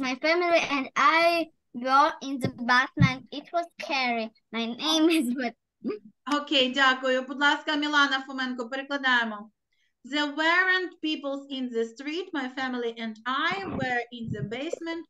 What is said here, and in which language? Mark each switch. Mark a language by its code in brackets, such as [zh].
[en] My family and I were in the basement. It was scary. My name is Matt. [uk] Окей, дякую. Будь ласка, Мілана Фоменко, перекладаємо. [en] There weren't people in the street. My family and I were in the basement.